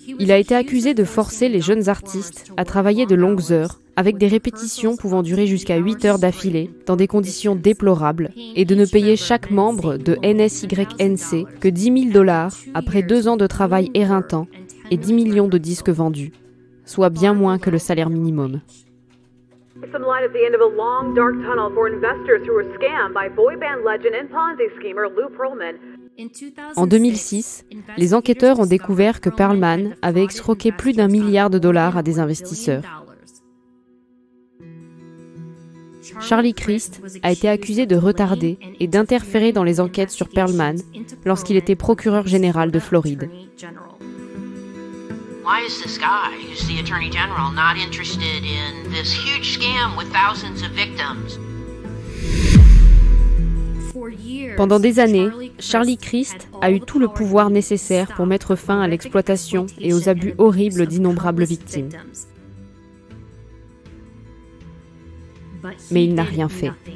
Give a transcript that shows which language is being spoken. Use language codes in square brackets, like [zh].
[fr] Il a été accusé de forcer les jeunes artistes à travailler de longues heures, avec des répétitions pouvant durer jusqu'à 8 heures d'affilée, dans des conditions déplorables, et de ne payer chaque membre de NSYNC que 10 000 dollars après 2 ans de travail éreintant et 10 millions de disques vendus, soit bien moins que le salaire minimum. [en] Some light at the end of a long, dark tunnel for investors who were scammed by boy band legend and Ponzi schemer Lou Pearlman. [fr] En 2006, les enquêteurs ont découvert que Pearlman avait escroqué plus d'un milliard de dollars à des investisseurs. Charlie Crist a été accusé de retarder et d'interférer dans les enquêtes sur Pearlman lorsqu'il était procureur général de Floride. [en] Why is this guy, who's the attorney general, not interested in this huge scam with thousands of victims? [fr] Pendant des années, Charlie Crist a eu tout le pouvoir nécessaire pour mettre fin à l'exploitation et aux abus horribles d'innombrables victimes. Mais il n'a rien fait.